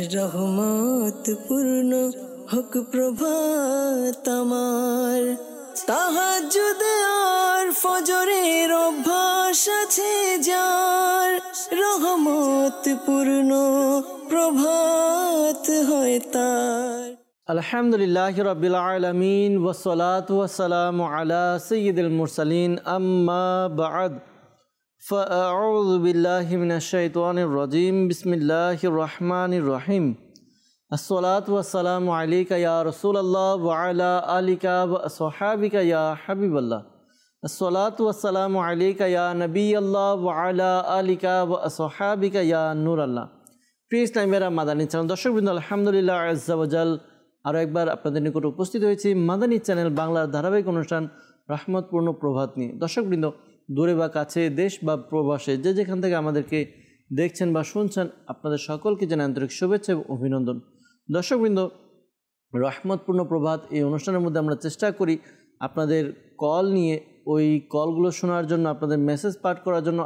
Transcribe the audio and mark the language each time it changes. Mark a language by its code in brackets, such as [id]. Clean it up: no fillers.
[bn] রহমত পূর্ণ হক প্রভাত আমার, তাহাজ্জুদ আর ফজরের অভ্যাস আছে যার, রহমত পূর্ণ প্রভাত হয় তার। [ar] আলহামদুলিল্লাহ রাব্বিল আলামিন والصلاه والسلام على سيد المرسلين اما بعد فأعوذ بالله من الشيطان الرجيم بسم الله الرحمن الرحيم الصلاة والسلام عليك يا رسول الله وعلى آلك وصحابك يا حبيب الله الصلاة والسلام عليك يا نبي الله وعلى آلك وصحابك يا نور الله [bn] প্রিয় নাইমের মাদানী চ্যানেল দর্শকবৃন্দ, আলহামদুলিল্লাহ আজ্জা ওয়াজাল আরো একবার আপনাদের নিকট উপস্থিত হয়েছি মাদানী চ্যানেল বাংলার ধারাবাহিক অনুষ্ঠান রহমতপূর্ণ প্রভাত নিয়ে। দর্শকবৃন্দ, দূরে বা কাছে, দেশ বা প্রবাসে, যে যেখান থেকে আমাদেরকে দেখছেন বা শুনছেন, আপনাদের সকলকে যেন আন্তরিক শুভেচ্ছা এবং অভিনন্দন। দর্শকবৃন্দ, রহমতপূর্ণ প্রভাত এই অনুষ্ঠানের মধ্যে আমরা চেষ্টা করি আপনাদের কল নিয়ে, ওই কলগুলো শোনার জন্য, আপনাদের মেসেজ পাঠ করার জন্য।